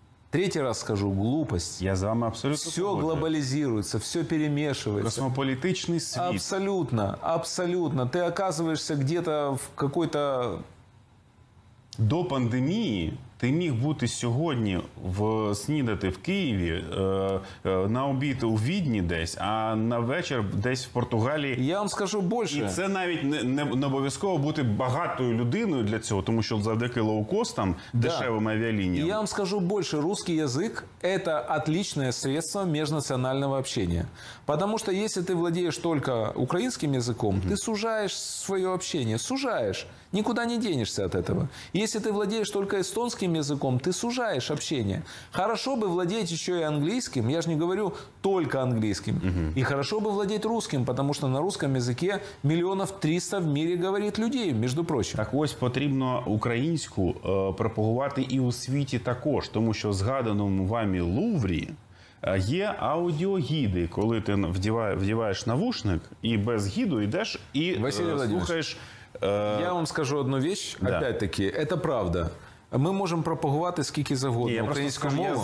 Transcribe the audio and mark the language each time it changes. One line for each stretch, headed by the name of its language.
Russian: Третий раз скажу – глупость. Я с вами абсолютно все поводит. Глобализируется, все перемешивается. Космополитичный свет. Абсолютно, абсолютно. Ты оказываешься где-то в какой-то… До пандемии…
Ukrainian: Ти міг бути сьогодні снідати в Києві, на обід у Відні десь, а на вечір десь в Португалії. Я вам скажу більше. І це навіть не обов'язково бути багатою людиною для цього, тому що завдяки лоукостам, дешевим авіалініям. Я вам скажу більше,
Russian: русский язык
Ukrainian: – це отличне средство міжнаціонального общения.
Russian: Потому что если ты владеешь только украинским языком, ты сужаешь свое общение, сужаешь, никуда не денешься от этого. Если ты владеешь только эстонским языком, ты сужаешь общение. Хорошо бы владеть еще и английским, я же не говорю только английским. И хорошо бы владеть русским, потому что на русском языке 300 миллионов в мире говорит людей, между прочим.
Ukrainian: Так ось, потрібно українську пропагувати і у світі також, тому що згаданому вами Луврі є аудіогіди, коли ти вдіваєш навушник і без гіду йдеш і слухаєш. Я вам скажу одну річ,
Russian: опять-таки,
Ukrainian: це правда. Ми можемо пропагувати скільки завгодно українську мову.